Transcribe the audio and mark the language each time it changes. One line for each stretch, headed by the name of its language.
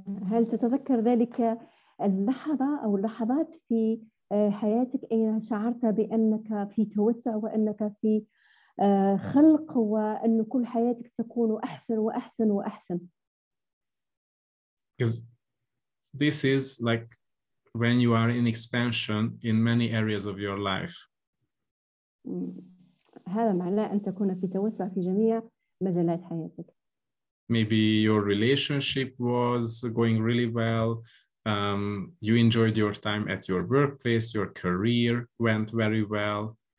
Arabic: هل تتذكر ذلك اللحظة أو اللحظات في حياتك أين شعرت بأنك في توسع وأنك في خلق وأن كل حياتك تكون أحسن وأحسن وأحسن؟
English: Because this is like when you are in expansion in many areas of your life.
Arabic: هذا معناه أن تكون في توسع في جميع مجالات حياتك.
English: Maybe your relationship was going really well. You enjoyed your time at your workplace. Your career went very well.